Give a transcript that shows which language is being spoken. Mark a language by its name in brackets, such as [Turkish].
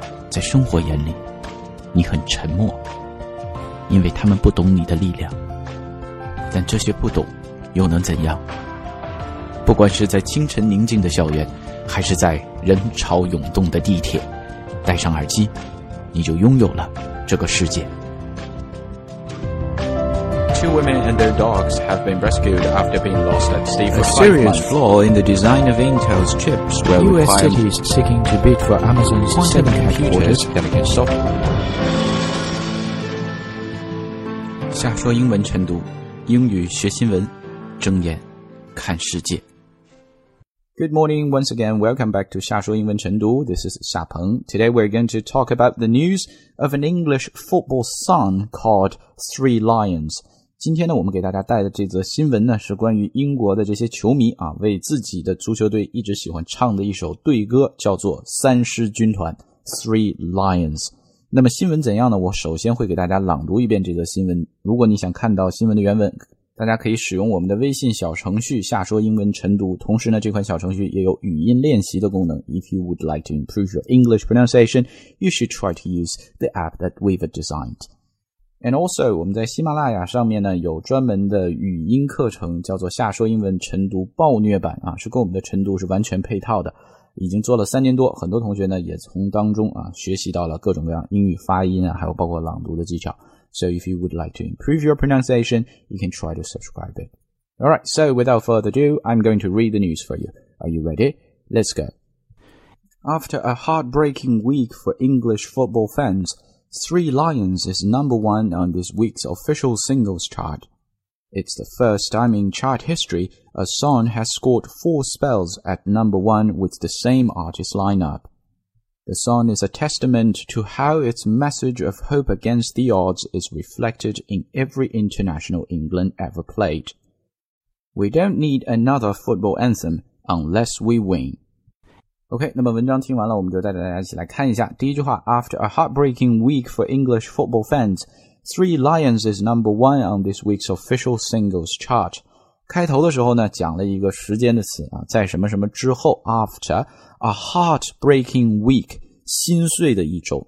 [Chinese] 在生活眼里，你很沉默，因为他们不懂你的力量。但这些不懂又能怎样？不管是在清晨宁静的校园，还是在人潮涌动的地铁，戴上耳机，你就拥有了这个世界。 [English] Two women and their dogs have been rescued after being lost at sea for 5 months. A serious flaw in the design of Intel's chips where U.S. cities seeking to bid for Amazon's 7 computers. [Chinese] 瞎说英文晨读，英语学新闻，睁眼看世界。 [English] Good morning, once again, welcome back to 瞎说英文晨读.This is 夏鹏. Today we're going to talk about the news of an English football son called Three Lions. [Chinese] 今天呢，我们给大家带的这则新闻呢，是关于英国的这些球迷啊，为自己的足球队一直喜欢唱的一首队歌，叫做《三狮军团》（Three Lions）。那么新闻怎样呢？我首先会给大家朗读一遍这则新闻。如果你想看到新闻的原文，大家可以使用我们的微信小程序“下说英文晨读”。同时呢，这款小程序也有语音练习的功能。 [English] If you would like to improve your English pronunciation, you should try to use the app that we've designed. And also, [Chinese] 我们在喜马拉雅上面呢有专门的语音课程，叫做下说英文晨读暴虐版啊，是跟我们的晨读是完全配套的，已经做了3年多，很多同学呢也从当中啊学习到了各种各样英语发音啊，还有包括朗读的技巧。 [English] So if you would like to improve your pronunciation, you can try to subscribe it. Alright, so without further ado, I'm going to read the news for you. Are you ready? Let's go. After a heartbreaking week for English football fans,Three Lions is number one on this week's official singles chart. It's the first time in chart history a song has scored 4 spells at number one with the same artist lineup. The song is a testament to how its message of hope against the odds is reflected in every international England ever played. We don't need another football anthem unless we win. [Chinese] OK, 那么文章听完了，我们就带着大家一起来看一下。第一句话 [English] ,After a heartbreaking week for English football fans, Three Lions is number one on this week's official singles chart. [Chinese] 开头的时候呢讲了一个时间的词啊，在什么什么之后 , [English] After a heartbreaking week, [Chinese] 心碎的一周。